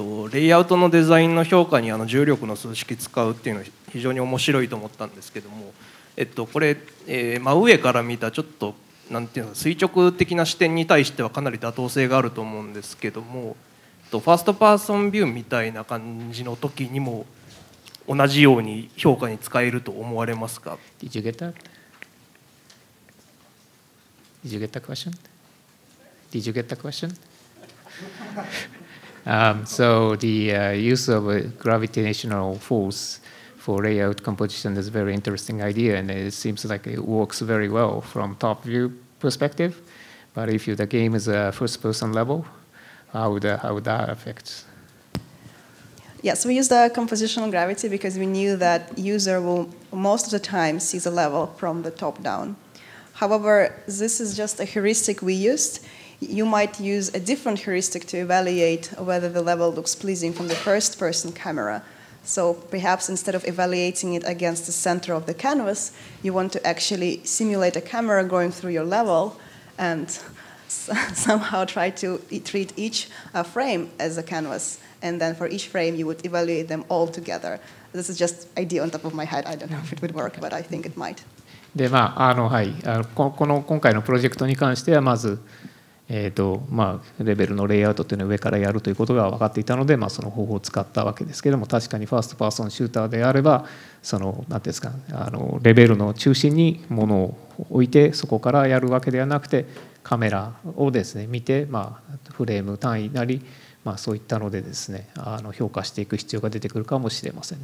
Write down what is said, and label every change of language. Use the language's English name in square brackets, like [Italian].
[Japanese] レイアウトのデザインの評価に重力の数式使うっていうのは非常に面白いと思ったんですけども、これ、真上から見たちょっとなんていうの垂直的な視点に対してはかなり妥当性があると思うんですけども、ファーストパーソンビューみたいな感じの時にも同じように評価に使えると思われますか？ [English] Did you get that? Did you get that question? Did you get that question? So the use of a gravitational force for layout composition is a very interesting idea, and it seems like it works very well from top view perspective. But if the game is a first person level, how would that affect? Yes, we use the compositional gravity because we knew that user will most of the time see the level from the top down. However, this is just a heuristic we used. You might use a different heuristic to evaluate whether the level looks pleasing from the first person camera. So perhaps instead of evaluating it against the center of the canvas, you want to actually simulate a camera going through your level and somehow try to treat each frame as a canvas. And then for each frame, you would evaluate them all together. This is just an idea on top of my head. I don't know if it would work, but I think it might. [Japanese] で、まあ、はい。この今回のプロジェクトに関してはまずレベルのレイアウトというのを上からやるということが分かっていたので、まあ、その方法を使ったわけですけれども、確かにファーストパーソンシューターであればその何て言うんですか、レベルの中心にものを置いてそこからやるわけではなくて、カメラをですね見て、まあ、フレーム単位なり、まあ、そういったのでですね評価していく必要が出てくるかもしれません。